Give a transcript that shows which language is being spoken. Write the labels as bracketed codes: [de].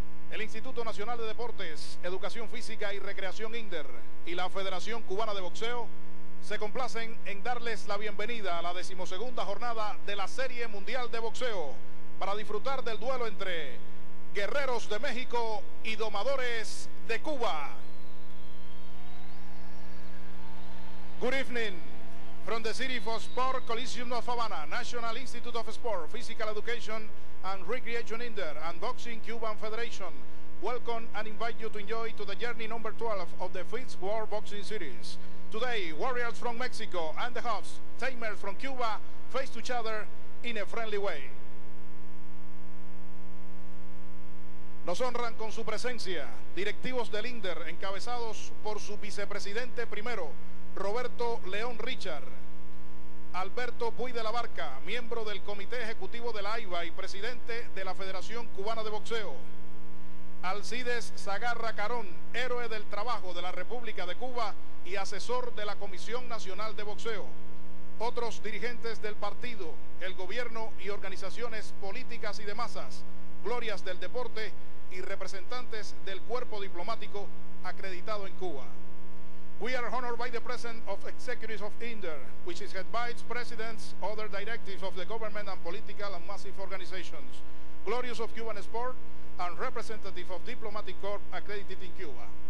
[es] El Instituto Nacional de Deportes, Educación Física y Recreación INDER y la Federación Cubana de Boxeo se complacen en darles la bienvenida a la 12ª jornada de la Serie Mundial de Boxeo para disfrutar del duelo entre Guerreros de México y Domadores de Cuba. [en] Good evening from the City for Sport Coliseum of Havana, National Institute of Sport, Physical Education and Recreation INDER and Boxing Cuban Federation. Welcome and invite you to enjoy to the journey number 12 of the 5th World Boxing Series. Today, Warriors from Mexico and the Hawks, Tamers from Cuba, face each other in a friendly way. [es] Nos honran con su presencia directivos del INDER, encabezados por su vicepresidente primero, Roberto León Richard, Alberto Puy de la Barca, miembro del Comité Ejecutivo de la AIBA y presidente de la Federación Cubana de Boxeo, Alcides Zagarra Carón, héroe del trabajo de la República de Cuba y asesor de la Comisión Nacional de Boxeo, otros dirigentes del partido, el gobierno y organizaciones políticas y de masas, glorias del deporte y representantes del cuerpo diplomático acreditado en Cuba. [en] We are honored by the presence of executives of INDER, which is advised presidents, other directives of the government and political and massive organizations, glorious of Cuban sport, and representative of diplomatic corps accredited in Cuba.